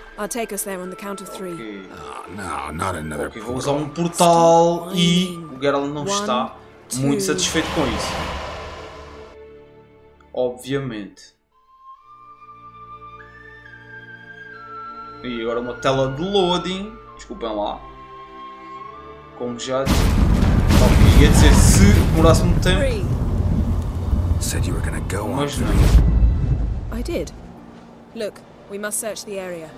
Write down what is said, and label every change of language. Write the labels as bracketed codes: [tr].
[en] I'll take us there on the count of three. Ok, [pt] vou usar um portal e o Geralt não está muito satisfeito com isso. Obviamente. E agora uma tela de loading. Desculpem lá. Como já disse. Ok, ia dizer se demorasse muito tempo. [en] Said you were gonna go on. I did. Look, we must search the area.